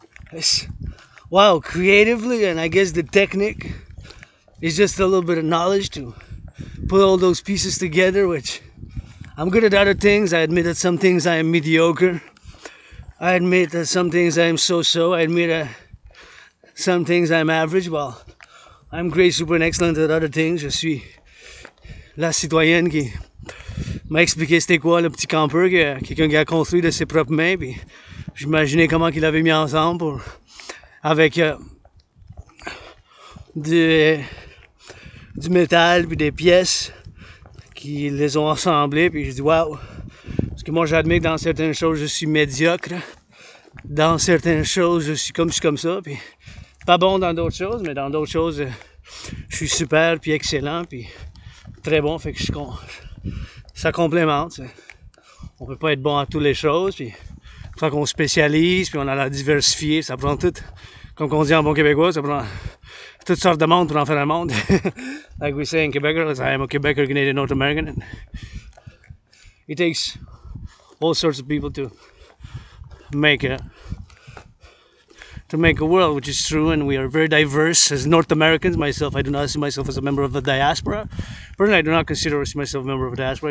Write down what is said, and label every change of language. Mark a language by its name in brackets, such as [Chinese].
[English] It's wow, creatively, and I guess the technique is just a little bit of knowledge to put all those pieces together, which I'm good at other things. I admit that some things I am mediocre. I admit that some things I am so-so. I admit that some things I'm average. Well, I'm great, super, and excellent at other things. [French] Je suis la citoyenne qui m'a expliqué c'était quoi le petit camper que quelqu'un qui a construit de ses propres mains. Puis j'imaginais comment qu'il avait mis ensemble pour avec du métal puis des pièces qui les ont assemblées. Puis je dis wow, parce que moi j'admets que dans certaines choses je suis médiocre, dans certaines choses je suis comme ça. Puis pas bon dans d'autres choses, mais dans d'autres choses, je suis super, puis excellent, puis très bon, fait que je suis con. Ça complémente, t'sais. On peut pas être bon à toutes les choses, puis quand qu'on spécialise, puis on a la diversifié, ça prend tout, comme on dit en bon québécois, ça prend toutes sortes de monde pour en faire un monde. [English] Like we say in Quebec, I am a Quebecer, Canadian, North American, and it takes all sorts of people to make a world, which is true, and we are very diverse as North Americans. Myself, I do not see myself as a member of the diaspora. Personally, I do not consider myself a member of the diaspora.